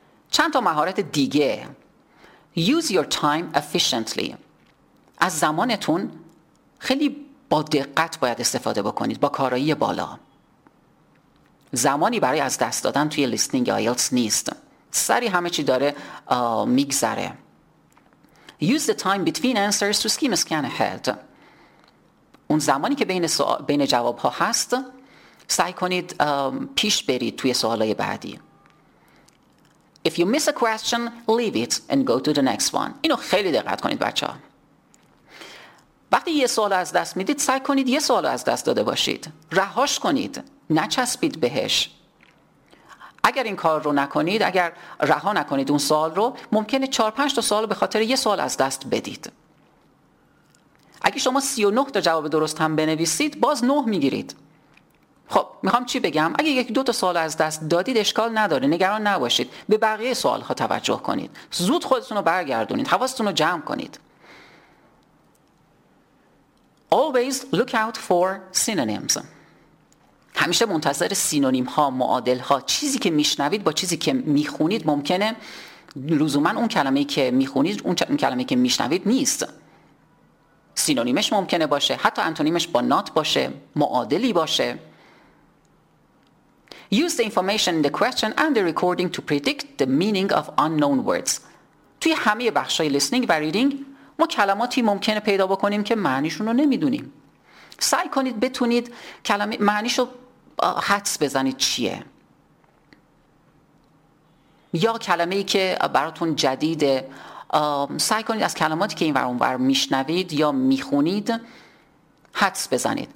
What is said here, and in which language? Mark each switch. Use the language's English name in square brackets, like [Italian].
[Persian] چند تا مهارت دیگه. [English] Use your time efficiently. [Persian] از زمانتون خیلی با دقت باید استفاده بکنید، با کارایی بالا. زمانی برای از دست دادن توی listening IELTS نیست. سری همه چی داره میگذره. [English] Use the time between answers to skim scan ahead. [Persian] اون زمانی که بین جواب ها هست سعی کنید پیش برید توی سوالای بعدی. [English] If you miss a question, leave it and go to the next one. [Persian] اینو خیلی دقت کنید بچه ها. وقتی یه سوال از دست میدید سعی کنید یه سوال از دست داده باشید، رهاش کنید، نچسبید بهش. اگر این کار رو نکنید، اگر رها نکنید اون سوال رو، ممکنه 4-5 تا سوال به خاطر یه سوال از دست بدید. اگه شما 39 تا جواب درست هم بنویسید باز 9 میگیرید. خب میخوام چی بگم؟ اگه یک دو تا سوال از دست دادید اشکال نداره، نگران نباشید، به بقیه سوال ها توجه کنید، زود خودتون رو برگردونید، حواستون رو جمع کنید. [English] Always look out for synonyms. [Persian] همیشه منتظر سینونیم ها، معادل ها، چیزی که میشنوید با چیزی که میخونید ممکنه لزوماً اون کلمه‌ای که میخونید اون کلمه‌ای که میشنوید نیست. سینونیمش ممکنه باشه، حتی انتونیمش با نات باشه، معادلی باشه. [English] Use the information in the question and the recording to predict the meaning of unknown words. [Persian] توی همه بخش‌های لیسنینگ و ریدینگ ما کلماتی ممکنه پیدا بکنیم که معنیشون رو نمیدونیم. سعی کنید بتونید معنیشو حدس بزنید چیه، یا کلمه‌ای که براتون جدیده سعی کنید از کلماتی که این ور اون ور میشنوید یا میخونید حدس بزنید.